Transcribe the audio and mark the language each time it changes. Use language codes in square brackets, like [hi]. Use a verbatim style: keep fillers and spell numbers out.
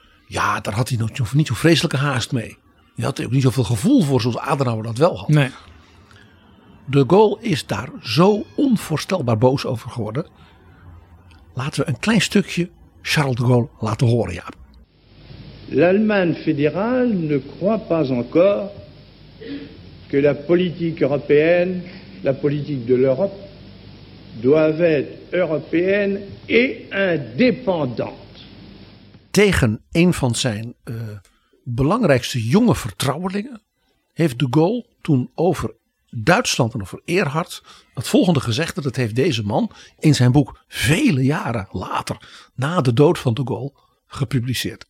[nl] Ja, daar had hij nog niet zo'n vreselijke haast mee. Hij had er ook niet zoveel gevoel voor zoals Adenauer dat wel had. Nee. De Gaulle is daar zo onvoorstelbaar boos over geworden. Laten we een klein stukje Charles de Gaulle laten horen, Jaap. [fr] L'Allemagne fédérale ne croit pas encore que la politique européenne, la politique de l'Europe, doivent être européenne et indépendante. [nl] Tegen een van zijn uh, belangrijkste jonge vertrouwelingen heeft de Gaulle toen over Duitsland en over Erhard het volgende gezegde. Dat heeft deze man in zijn boek vele jaren later, na de dood van de Gaulle, gepubliceerd.